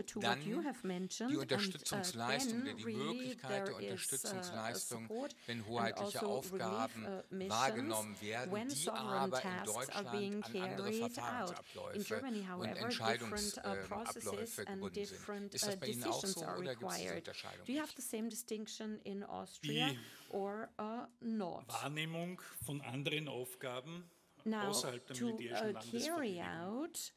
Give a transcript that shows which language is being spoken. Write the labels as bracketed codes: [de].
[de] Und es gibt dann die Unterstützungsleistung, die Möglichkeit der Unterstützungsleistung, wenn hoheitliche Aufgaben wahrgenommen werden, die aber in Deutschland an andere Verfahrensabläufe und Entscheidungsabläufe gebunden sind. Ist das bei Ihnen auch so oder gibt es diese Unterscheidung? [en] Do you have the same distinction in Austria or not? [de] Wahrnehmung von anderen Aufgaben außerhalb der militärischen Landesverbindung.